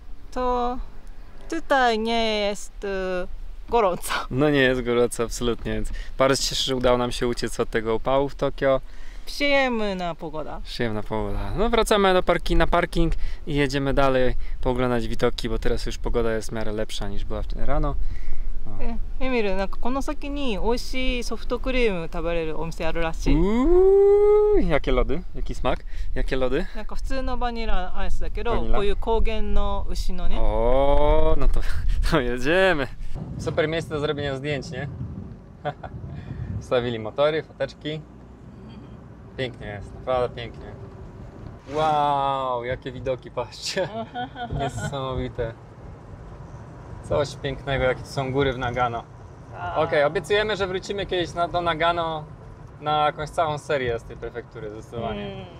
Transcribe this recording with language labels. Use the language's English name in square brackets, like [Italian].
[Polish] To tutaj nie jest gorąco. No nie jest gorąco, absolutnie. Więc bardzo się cieszę, że udało nam się uciec od tego upału w Tokio. Przyjemna pogoda. Przyjemna pogoda. No wracamy do parki, na parking i jedziemy dalej pooglądać widoki, bo teraz już pogoda jest w miarę lepsza niż była wtedy rano. [Japanese] Emil, この先に美味しいソフトクリーム食べれるお店あるらしい. [Polish] Jakie lody? Jaki smak? Jakie lody? [Japanese] なんか普通のバニラアイスだけど、こういう高原の牛のね. [Polish] O, no to, to jedziemy. Super miejsce do zrobienia zdjęć, nie? Wstawili motory, foteczki. Pięknie jest, naprawdę pięknie. Wow, jakie widoki, patrzcie. Niesamowite. Coś pięknego, jakie to są góry w Nagano. Okej, obiecujemy, że wrócimy kiedyś do Nagano na jakąś całą serię z tej prefektury, zdecydowanie.